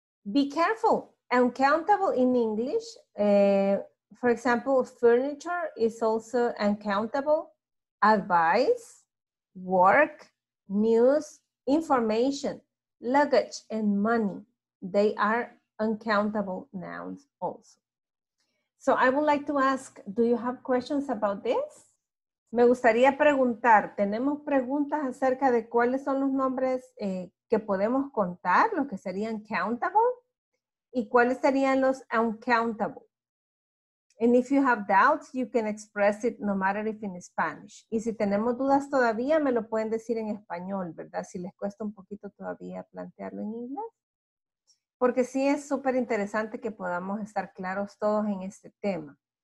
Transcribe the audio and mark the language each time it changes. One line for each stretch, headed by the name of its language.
English: Be careful, uncountable in English. For example, furniture is also uncountable. Advice, work, news, information, luggage, and money, they are uncountable nouns also. So I would like to ask, do you have questions about this?
Spanish: Me gustaría preguntar, ¿tenemos preguntas acerca de cuáles son los nombres que podemos contar, los que serían countable? ¿Y cuáles serían los uncountable?
English: And if you have doubts, you can express it no matter if in Spanish.
Spanish: Y si tenemos dudas todavía, me lo pueden decir en español, ¿verdad? Si les cuesta un poquito todavía plantearlo en inglés. Porque sí es súper interesante que podamos estar claros todos en este tema.